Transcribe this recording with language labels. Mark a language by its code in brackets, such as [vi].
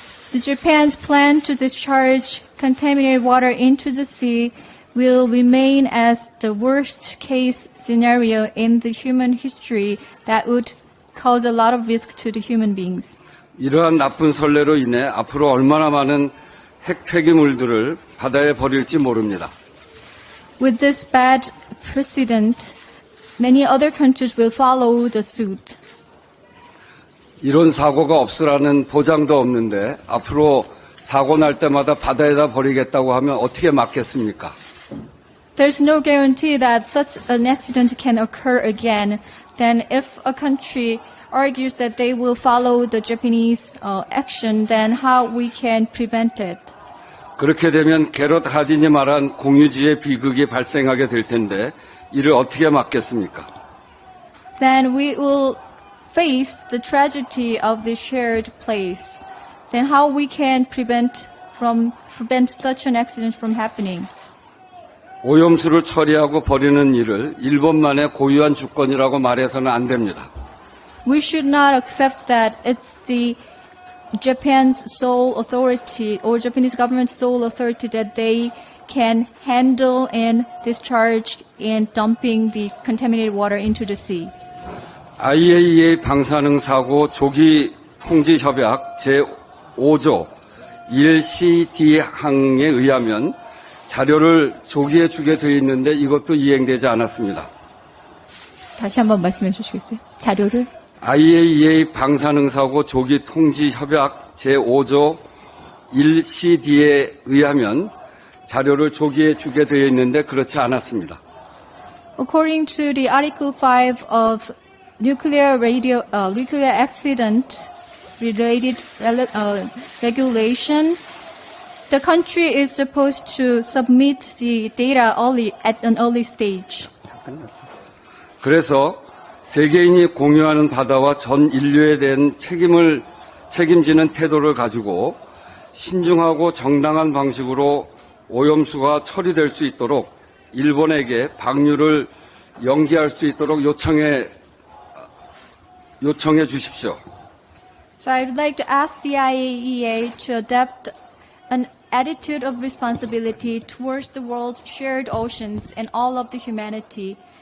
[en] The Japan's plan to discharge contaminated water into the sea will remain as the worst case scenario in the human history that would cause a lot of risk to the human beings. [ko] 이러한 나쁜 선례로 인해 앞으로 얼마나 많은 핵 폐기물들을 바다에 버릴지 모릅니다. [en] With this bad precedent, many other countries will follow the suit. [ko] 이런 사고가 없으라는 보장도 없는데 앞으로 사고 날 때마다 바다에다 버리겠다고 하면 어떻게 막겠습니까? [en] There's no guarantee that such an accident can occur again. Then if a country argues that they will follow the Japanese action, then how we can prevent it? [ko] 그렇게 되면 게롯 하딘이 말한 공유지의 비극이 발생하게 될 텐데 이를 어떻게 막겠습니까? [en] Then we will face the tragedy of the shared place. Then how we can prevent such an accident from happening? [ko] 오염수를 처리하고 버리는 일을 일본만의 고유한 주권이라고 말해서는 안 됩니다. [en] We should not accept that it's the Japan's sole authority or Japanese government's sole authority that they can handle and discharge and dumping the contaminated water into the sea. [ko] IAEA 방사능 사고 조기 통지 협약 제5조 1CD 항에 의하면 자료를 조기에 주게 되어 있는데 이것도 이행되지 않았습니다. 다시 한번 말씀해 주시겠어요? 자료를? IAEA 방사능 사고 조기 통지 협약 제5조 1CD에 의하면 자료를 조기에 주게 되어 있는데 그렇지 않았습니다. [en] According to the Article 5 of Nuclear Accident Related Regulation, the country is supposed to submit the data only at an early stage. [ko] 그래서 세계인이 공유하는 바다와 전 인류에 대한 책임지는 태도를 가지고 신중하고 정당한 방식으로 오염수가 처리될 수 있도록 일본에게 방류를 연기할 수 있도록 요청해 주십시오. [en] So I would like to ask the IAEA to adopt an attitude of responsibility towards the world's shared oceans and all of the humanity.